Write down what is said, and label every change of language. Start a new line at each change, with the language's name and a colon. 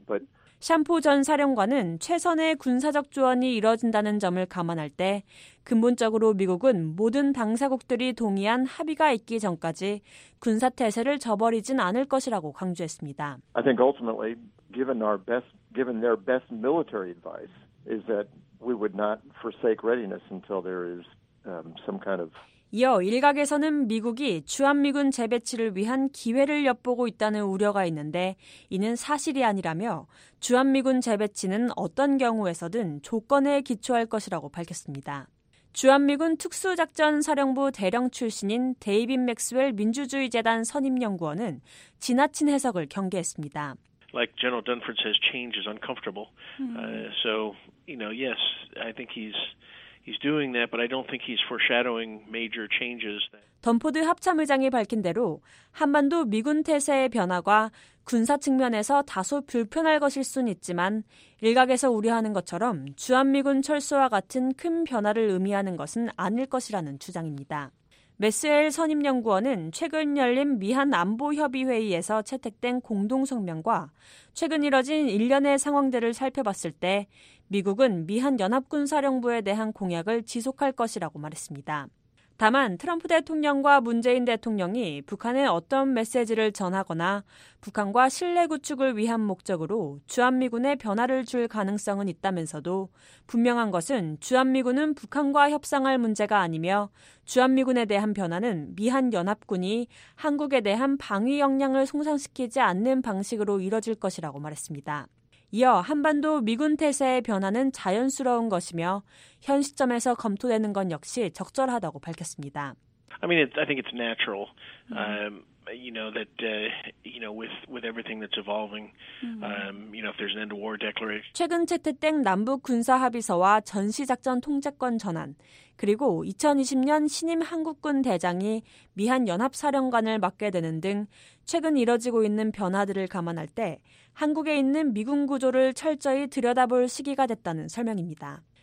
English: But
Korean: 샴포 전 사령관은 최선의 군사적 조언이 이뤄진다는 점을 감안할 때 근본적으로 미국은 모든 당사국들이 동의한 합의가 있기 전까지 군사 태세를 저버리진 않을 것이라고 강조했습니다.
English: I think ultimately, given their best military advice, is that we would not forsake readiness until there is some kind of.
Korean: 이어 일각에서는 미국이 주한미군 재배치를 위한 기회를 엿보고 있다는 우려가 있는데 이는 사실이 아니라며 주한미군 재배치는 어떤 경우에서든 조건에 기초할 것이라고 밝혔습니다. 주한미군 특수작전사령부 대령 출신인 데이빗 맥스웰 민주주의재단 선임연구원은 지나친 해석을 경계했습니다.
English: Like General Dunford says, change is uncomfortable. So, you know, yes, I think he's doing that, but I don't think he's foreshadowing major changes.
Korean: 덤포드 합참의장이 밝힌 대로 한반도 미군 태세의 변화가 군사 측면에서 다소 불편할 것일 순 있지만 일각에서 우려하는 것처럼 주한미군 철수와 같은 큰 변화를 의미하는 것은 아닐 것이라는 주장입니다. 메스웰 선임연구원은 최근 열린 미한안보협의회의에서 채택된 공동성명과 최근 이뤄진 일련의 상황들을 살펴봤을 때 미국은 미한연합군사령부에 대한 공약을 지속할 것이라고 말했습니다. 다만 트럼프 대통령과 문재인 대통령이 북한에 어떤 메시지를 전하거나 북한과 신뢰 구축을 위한 목적으로 주한미군에 변화를 줄 가능성은 있다면서도 분명한 것은 주한미군은 북한과 협상할 문제가 아니며 주한미군에 대한 변화는 미한연합군이 한국에 대한 방위 역량을 손상시키지 않는 방식으로 이뤄질 것이라고 말했습니다. 이어 한반도 미군 태세의 변화는 자연스러운 것이며 현 시점에서 검토되는 건 역시 적절하다고 밝혔습니다.
English: I mean, I think it's natural, you know, that you know, with everything that's evolving, you know, if there's an end of war declaration.
Korean: 최근 채택된 남북 군사 합의서와 전시 작전 통제권 전환, 그리고 2020년 신임 한국군 대장이 미한 연합 사령관을 맡게 되는 등 최근 이뤄지고 있는 변화들을 감안할 때. 한국에 있는 미군 구조를 철저히 들여다볼 시기가 됐다는 설명입니다.